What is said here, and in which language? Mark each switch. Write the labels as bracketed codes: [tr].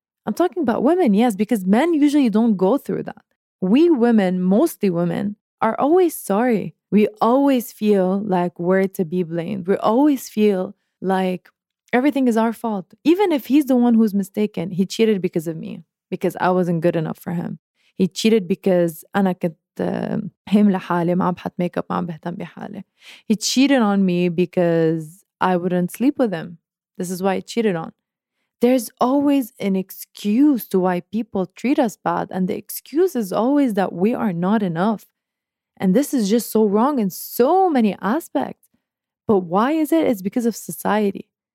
[en] I'm talking about women, yes, because men usually don't go through that. We women, mostly women, are always sorry. We always feel like we're to be blamed. We always feel like everything is our fault. Even if he's the one who's mistaken, he cheated because of me, because I wasn't good enough for him. He cheated because [ar] أنا كنت هيم لحالي ما عم بحط ميك اب ما عم بهتم بحالي. [en] He cheated on me because I wouldn't sleep with him. This is why he cheated on. There's always an excuse to why people treat us bad, and the excuse is always that we are not enough. And this is just so wrong in so many aspects. But why is it? It's because of society.